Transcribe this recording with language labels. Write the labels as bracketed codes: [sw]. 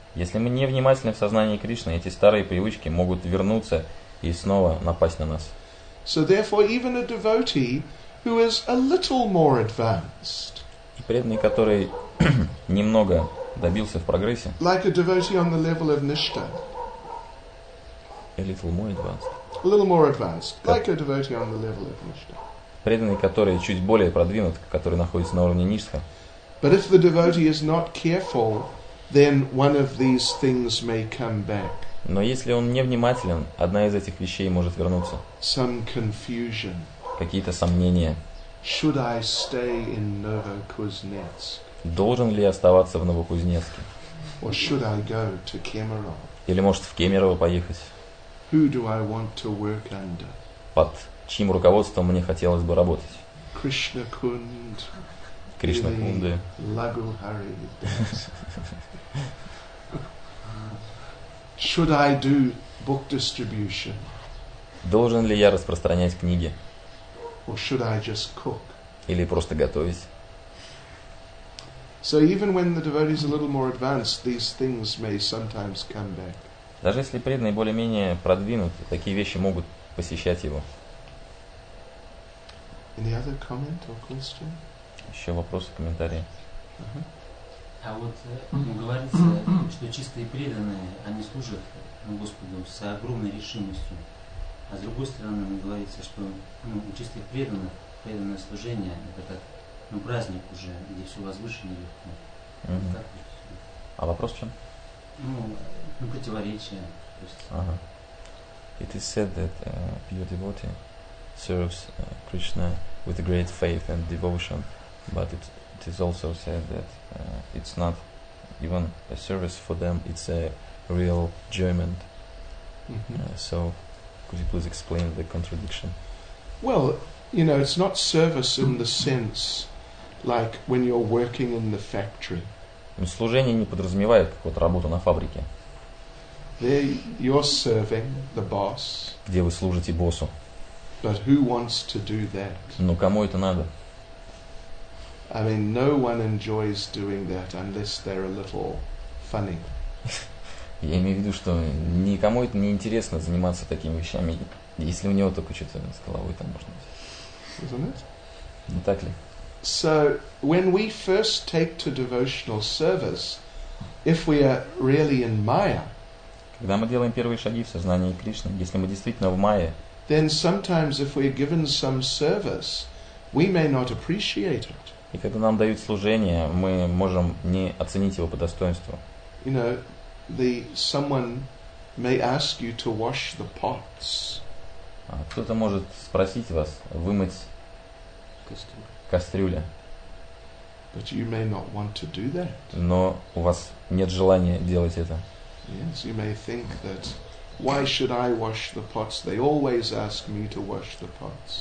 [ru] Если мы не внимательны в сознании Кришны, эти старые привычки могут вернуться и снова напасть на нас. [en] So therefore, even a devotee who is a little more advanced. [ru] И преданный, который немного добился в прогрессе. [en] Like a devotee on the level of Nishta. A little more advanced. A little more advanced. Like a devotee on the level of Nishta. [ru] Преданный, который чуть более продвинут, который находится на уровне Ништа. [en] But if the devotee is not careful, then one of these things may come back. [ru] Но если он не внимателен, одна из этих вещей может вернуться. [en] Some confusion. [ru] Какие-то сомнения. [en] Should I stay in Novokuznetsk? [ru] Должен ли я оставаться в Новокузнецке? [en] Or should I go to Kemerovo? [ru] Или может в Кемерово поехать? [en] Who do I want to work under? [ru] Под чьим руководством мне хотелось бы работать? [en] Krishna Kund. [ru] Кришна Кунды. Лагу Хари. [en] Should I do book distribution? [ru] Должен ли я распространять книги? [en] Or should I just cook? [ru] Или просто готовить? [en] So even when the devotee is a little more advanced, these things may sometimes come back. [ru] Даже если преданный более-менее продвинут, такие вещи могут посещать его. [en] Any other comment or question? [ru] Еще вопросы, комментарии. А вот говорится, что чистые преданные, они служат Господу с огромной решимостью. А с другой стороны, говорится, что чистые преданные, преданное служение, это как праздник уже, где все возвышено и легко. А вопрос в чем? Противоречие. То есть. [en] It is said that your devotee serves Krishna with great faith and devotion. But it is also said that it's not even a service for them, it's a real enjoyment. So, could you please explain the contradiction? Well, it's not service in the sense like when you're working in the factory. [ru] Служение не подразумевает какую-то работу на фабрике. [en] There you're serving the boss. [ru] Где вы служите боссу. [en] But who wants to do that? [ru] Но кому это надо? [en] I mean, no one enjoys doing that unless they're a little funny. [ru] Я имею в виду, что никому это не интересно заниматься такими вещами, если у него только что-то с головой там можно взять. [en] Isn't it? [ru] Не так ли? [en] So, when we first take to devotional service, if we are really in Maya, [ru] когда мы делаем первые шаги в сознании Кришны, если мы действительно в Майе, [en] then sometimes if we're given some service, we may not appreciate it. [ru] И когда нам дают служение, мы можем не оценить его по достоинству. [en] Someone may ask you to wash the pots. [ru] Кто-то может спросить вас вымыть кастрюли. [en] But you may not want to do that. [ru] Но у вас нет желания делать это. [en] Yes, you may think that why should I wash the pots? They always ask me to wash the pots.